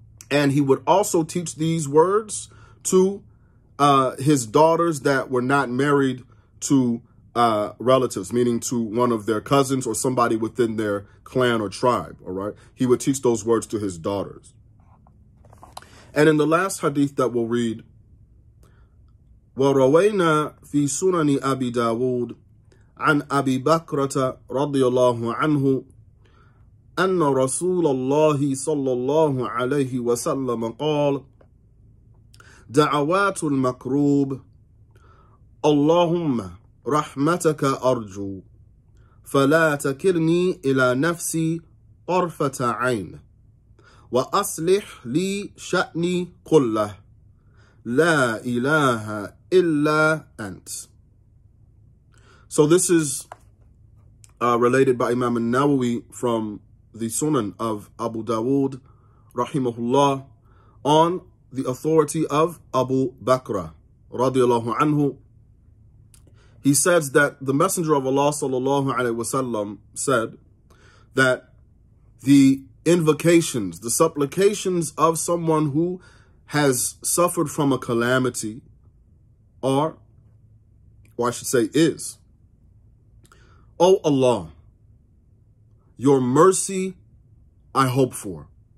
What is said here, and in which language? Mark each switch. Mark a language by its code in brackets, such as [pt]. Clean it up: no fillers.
[en] And he would also teach these words to his daughters that were not married to relatives, meaning to one of their cousins or somebody within their clan or tribe, all right? He would teach those words to his daughters. And in the last hadith that we'll read, [ar] وَرَوَيْنَا فِي سُنَنِ أَبِي دَاوُودِ عن أبي بكرة رضي الله عنه أن رسول الله صلى الله عليه وسلم قال دعوات المكروب اللهم رحمتك أرجو فلا تكلني إلى نفسي طرفة عين وأصلح لي شأني كله لا إله إلا أنت. [en] So this is related by Imam an-Nawawi from the Sunan of Abu Dawood, rahimahullah, on the authority of Abu Bakrah, radiallahu anhu. He says that the Messenger of Allah, sallallahu alayhi wa sallam, said that the invocations, the supplications of someone who has suffered from a calamity are, or I should say is, O Allah, your mercy I hope for.